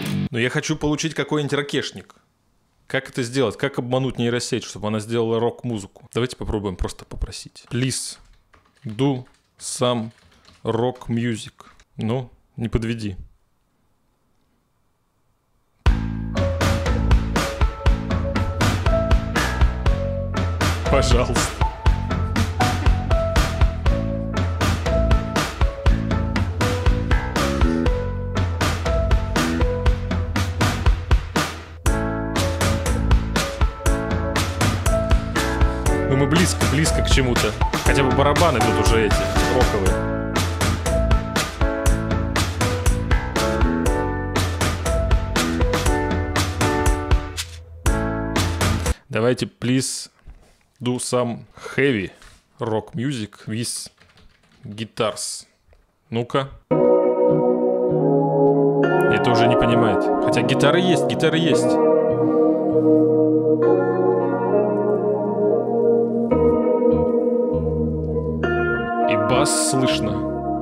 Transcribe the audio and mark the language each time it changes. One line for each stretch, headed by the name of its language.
Russian: Но я хочу получить какой-нибудь ракешник. Как это сделать? Как обмануть нейросеть, чтобы она сделала рок-музыку? Давайте попробуем просто попросить.
English: Please, do some rock music.
Russian: Ну, не подведи. Пожалуйста. Ну мы близко, близко к чему-то. Хотя бы барабаны тут уже эти, роковые. Давайте,
English: please... Do some heavy rock music with guitars.
Russian: Ну-ка. Это уже не понимает. Хотя гитары есть, гитары есть. И бас слышно.